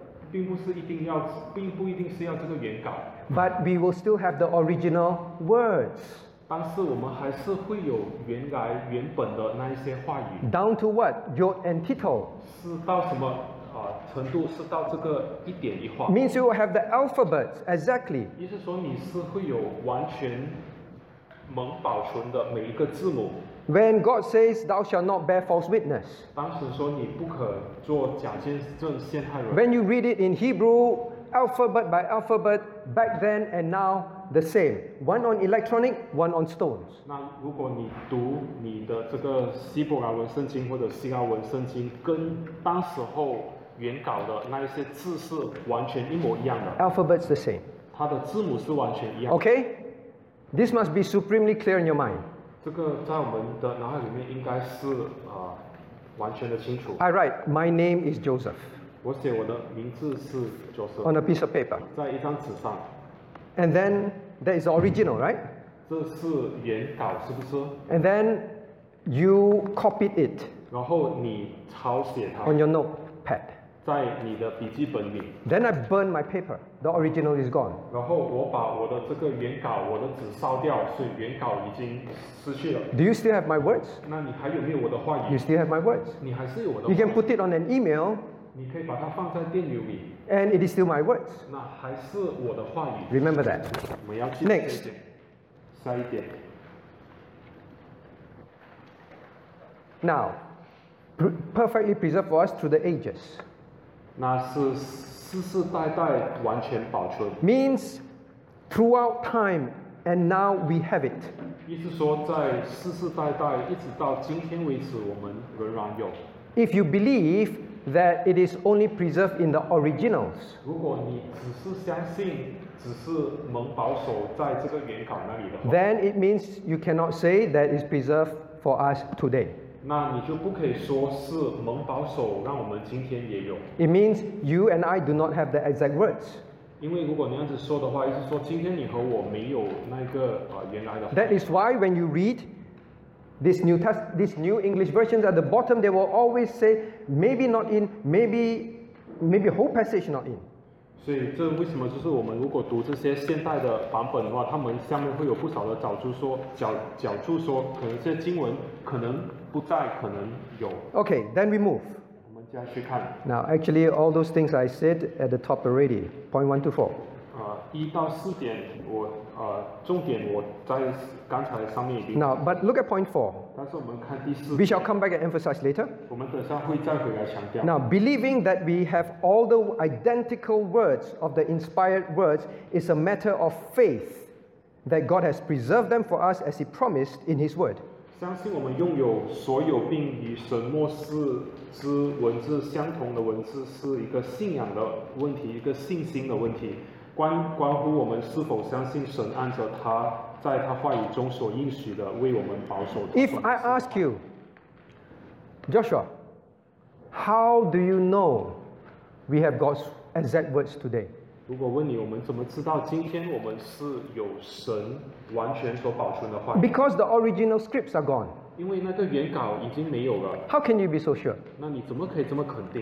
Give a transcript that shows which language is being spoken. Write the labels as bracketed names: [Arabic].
[Chinese] 并不一定是要这个原稿。 [English] But we will still have the original words. [Chinese] 但是我们还是会有原来原本的那一些话语。 [English] Down to what? Jot and tittle. [Chinese] 是到什么程度？是到这个一点一画。 [English] Means you will have the alphabet exactly. [Chinese] 意思说你是会有完全蒙保存的每一个字母。 [English] When God says, "Thou shalt not bear false witness," [Chinese] 当时说你不可做假见证陷害人。 [English] When you read it in Hebrew, alphabet by alphabet, back then and now, the same. One on electronic, one on stones. [Chinese] 那如果你读你的这个希伯来文圣经或者希腊文圣经，跟当时候原稿的那一些字是完全一模一样的。 [English] Alphabet's the same. [Chinese] 它的字母是完全一样的。 [English] Okay, this must be supremely clear in your mind. [Chinese] 这个在我们的脑海里面应该是完全的清楚。 [English] I write, my name is Joseph. [Chinese] 我写我的名字是 Joseph. [English] On a piece of paper. [Chinese] 在一张纸上。 [English] And then, that is original, right? [Chinese] 这是原稿是不是？ [English] And then, you copied it. [Chinese] 然后你抄写它。 [English] On your notepad. [Chinese] 在你的笔记本里。 [English] Then I burn my paper. The original is gone. [Chinese] 然后我把我的这个原稿，我的纸烧掉，所以原稿已经失去了。 [English] Do you still have my words? [Chinese] 那你还有没有我的话语？ [English] You still have my words. [Chinese] 你还是有我的话语。 [English] You can put it on an email. [Chinese] 你可以把它放在电邮里。 [English] And it is still my words. [Chinese] 那还是我的话语。 [English] Remember that. [Chinese] 我们要记得这一点。 [English] Next. [Chinese] 下一点。 [English] Now, perfectly preserved for us through the ages. [Chinese] 那是。世世代代完全保存 [English] means throughout time and now we have it. [Chinese] 意思说在世世代代一直到今天为止我们仍然有。 [English] If you believe that it is only preserved in the originals, [Chinese] 如果你只是相信只是蒙保守在这个原稿那里的话 [English] then it means you cannot say that it is preserved for us today. [Chinese] 那你就不可以说是蒙保守，让我们今天也有。 [English] It means you and I do not have the exact words. [Chinese] 因为如果你样子说的话，意思说今天你和我没有那个原来的。 [English] That is why when you read this new English versions at the bottom, they will always say maybe not in, maybe whole passage not in. [Chinese] 所以这为什么就是我们如果读这些现代的版本的话，他们下面会有不少的脚注说，可能这些经文可能。不再可能有。 [English] Okay, then we move. [Chinese] 我们接下去看。 [English] Now, actually, all those things I said at the top already. Point 1 to 4. [Chinese] 一到四点，我重点我在刚才上面已经。 [English] Now, but look at point four. [Chinese] 但是我们看第四点。 [English] We shall come back and emphasize later. [Chinese] 我们等下会再回来强调。 [English] Now, believing that we have all the identical words of the inspired words is a matter of faith that God has preserved them for us as He promised in His Word. [Chinese] 相信我们拥有所有并与神默示之文字相同的文字是一个信仰的问题，一个信心的问题。关乎我们是否相信神按照他在他话语中所应许的为我们保守的。 [English] If I ask you, Joshua, how do you know we have God's exact words today? [Chinese] 如果问你我们怎么知道今天我们是有神完全所保存的话语？ [English] Because the original scripts are gone. [Chinese] 因为那个原稿已经没有了。 [English] How can you be so sure? [Chinese] 那你怎么可以这么肯定？